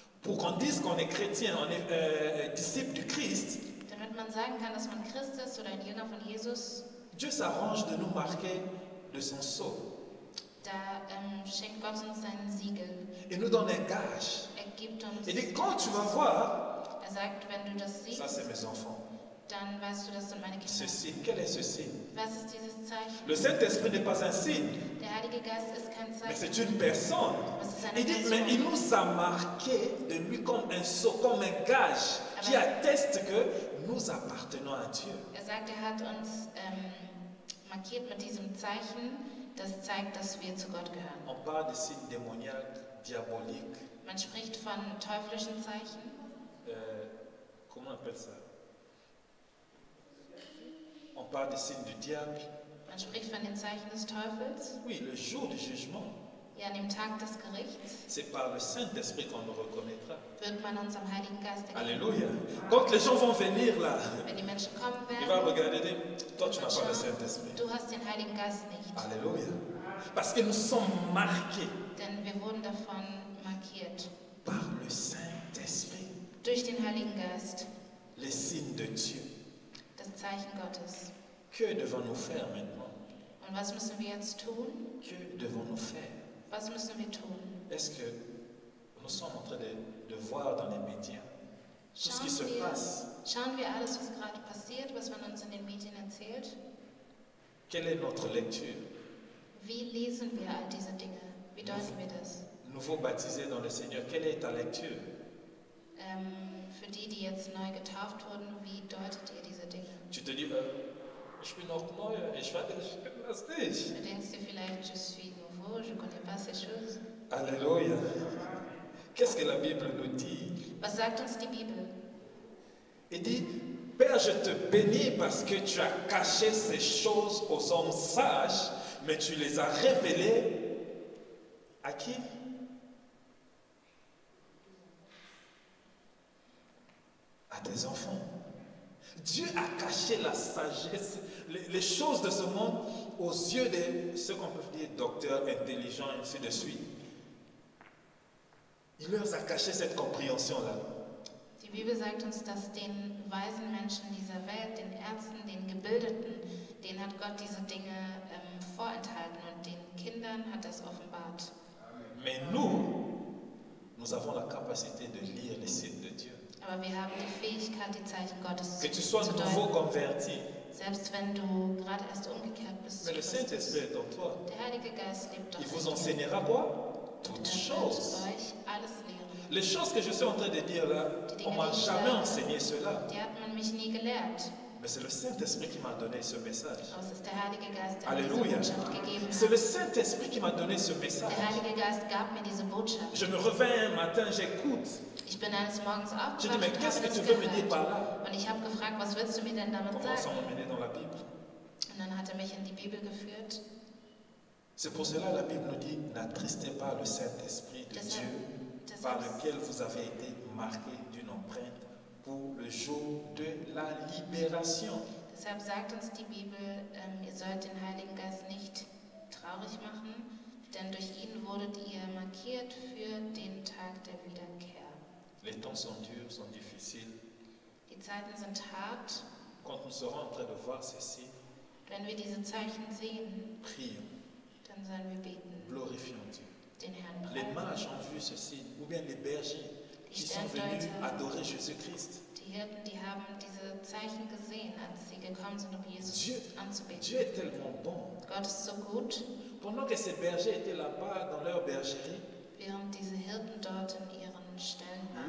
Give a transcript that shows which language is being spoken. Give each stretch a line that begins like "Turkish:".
French: Pour qu'on dise qu'on est chrétien, on est disciple du Christ,
German: damit man sagen kann, dass man Christ ist oder ein Jünger von Jesus,
French: Dieu s'arrange de nous marquer de son sceau.
German: Da schenkt Gott uns sein Siegel.
French: Il nous donne un gage.
German: Er gibt uns.
French: Et dit, quand tu vas voir,
German: er sagt, wenn du das siehst,
French: ça c'est mes enfants.
German: Dann weißt du, das sind meine Kinder.
French: Ceci, quel est ceci?
German: Was ist dieses Zeichen?
French: Le Saint-Esprit n'est pas un signe.
German: Der Heilige Geist ist kein Zeichen.
French: Mais c'est une personne. Il dit, mais il nous a marqué de lui comme un sceau, comme un gage, aber qui atteste que nous appartenons à Dieu.
German: Er sagt, er hat uns markiert mit diesem Zeichen, das zeigt, dass wir zu Gott gehören.
French: On parle de signes démoniaques, diaboliques.
German: Man spricht von teuflischen Zeichen.
French: Comment on appelle ça? On parle de signes du diable.
German: Man spricht von den Zeichen des Teufels.
French: Oui, le jour du jugement.
German: Ja, an dem Tag des Gerichts.
French: C'est par le Saint-Esprit qu'on le reconnaîtra.
German: Wird man uns am Heiligen Geist erkennen.
French: Alléluia. Quand les gens vont venir là,
German: wenn die Menschen kommen werden,
French: il va regarder, dire, toi tu n'as pas le Saint-Esprit.
German: Du hast den Heiligen Geist nicht.
French: Alléluia. Parce que nous sommes marqués.
German: Denn wir wurden davon markiert.
French: Par le Saint-Esprit.
German: Durch den Heiligen Geist.
French: Les signes de Dieu.
German: Das Zeichen Gottes.
French: Que devons-nous faire maintenant?
German: Und was müssen wir jetzt tun?
French: Que devons-nous faire?
German: Was müssen wir tun?
French: Est-ce que nous sommes en train de voir dans les médias tout ce qui se passe?
German: Schauen wir alles, was gerade passiert, was man uns in den Medien erzählt?
French: Quelle est notre lecture?
German: Wie lesen wir all diese Dinge? Wie deuten wir das?
French: Nouveau baptisé dans le Seigneur, quelle est ta lecture?
German: Für die, die jetzt neu getauft wurden, wie deutet ihr diese Dinge?
French: Tu te dis,
German: ich bin noch neu, ich weiß nicht. Du denkst dir vielleicht,
French: je suis nouveau. Je ne connais pas ces choses. Alléluia. Qu'est-ce que la Bible nous dit?
German: Was sagt uns die Bibel?
French: Il dit, Père, je te bénis parce que tu as caché ces choses aux hommes sages, mais tu les as révélées à qui? À tes enfants. Dieu a caché la sagesse, les choses de ce monde aux yeux de ce qu'on peut dire docteurs intelligents et ainsi de suite. Il leur a caché cette compréhension-là.
German: Die Bibel sagt uns, dass den weisen Menschen dieser Welt, den Ärzten, den Gebildeten, denen hat Gott diese Dinge vorenthalten und den Kindern hat das offenbart.
French: Mais nous avons la capacité de lire les signes de Dieu.
German: Aber wir haben die Fähigkeit, die Zeichen Gottes
French: que tu sois
German: zu deuten.
French: Nouveau converti.
German: Selbst wenn du gerade erst umgekehrt bist,
French: mais le Saint-Esprit est en toi.
German: Der Heilige Geist lebt doch.
French: Il vous enseignera quoi? Toutes choses.
German: Euch alles lehren.
French: Les choses que je suis en train de dire là, on m'a jamais enseigné cela.
German: Die hat man mich nie gelehrt.
French: Mais c'est le Saint-Esprit qui m'a donné ce message.
German: Es ist der Heilige Geist, der Alléluia. Diese Botschaft gegeben hat.
French: C'est le Saint-Esprit qui m'a donné ce message.
German: Der Heilige Geist gab mir diese Botschaft.
French: Je me reviens un matin, j'écoute.
German: Ich bin eines Morgens aufgewacht
French: dis,
German: und habe
French: que
German: gehört.
French: Me dire par là?
German: Und ich habe gefragt, was willst du mir denn damit
French: Comment
German: sagen?
French: Dans la Bible?
German: Und dann hat er mich in die Bibel geführt.
French: C'est pour cela la Bible nous dit, n'attristez pas le Saint-Esprit de Dieu, par lequel vous avez été marqué d'une empreinte pour le jour de la libération.
German: Deshalb sagt uns die Bibel, ihr sollt den Heiligen Geist nicht traurig machen, denn durch ihn wurdet ihr markiert für den Tag der Wiederkehr.
French: Les temps sont durs, sont difficiles.
German: Die Zeiten sind hart.
French: Quand nous serons en train de voir ceci,
German: wenn wir diese Zeichen sehen,
French: prions,
German: dann sollen wir beten.
French: Glorifions Dieu.
German: den Herrn preisen.
French: Les mages ont vu ce signe, ou bien les bergers
German: die
French: qui sont venus adorer Jésus-Christ.
German: Die Hirten, die haben diese Zeichen gesehen, als sie gekommen sind, um Jesus anzubeten.
French: Dieu est tellement bon.
German: Gott ist so gut.
French: Pendant que ces bergers étaient là-bas dans leur bergerie,
German: während diese Hirten dort in ihren Ställen waren,